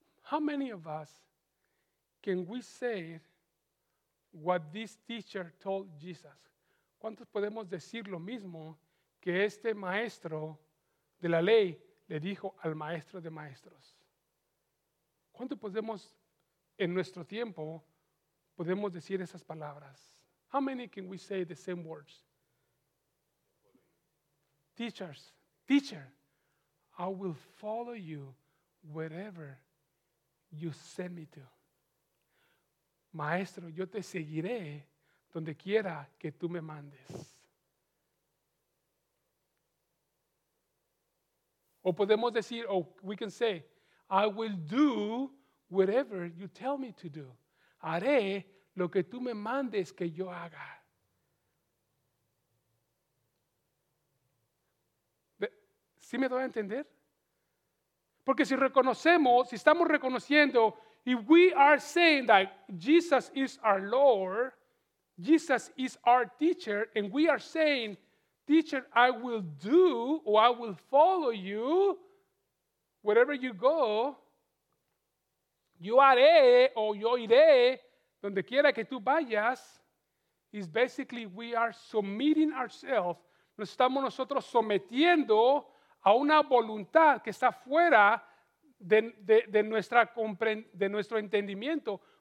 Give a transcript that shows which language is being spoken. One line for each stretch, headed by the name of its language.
English: How many of us can we say what this teacher told Jesus?
Spanish: ¿Cuántos podemos decir lo mismo que este maestro de la ley le dijo al maestro de maestros? ¿Cuánto podemos, en nuestro tiempo, podemos decir esas palabras?
English: How many can we say the same words? Teachers, teacher, I will follow you wherever you send me to.
Spanish: Maestro, yo te seguiré donde quiera que tú me mandes. O podemos decir,
English: or we can say, I will do whatever you tell me to do.
Spanish: Haré lo que tú me mandes que yo haga. ¿Sí me doy a entender? Porque si reconocemos, si estamos reconociendo,
English: if we are saying that Jesus is our Lord, Jesus is our teacher, and we are saying, teacher, I will do or I will follow you wherever you go.
Spanish: Yo haré o yo iré donde quiera que tú vayas.
English: Is basically we are submitting ourselves.
Spanish: Nos estamos nosotros sometiendo a una voluntad que está fuera de nuestro entendimiento.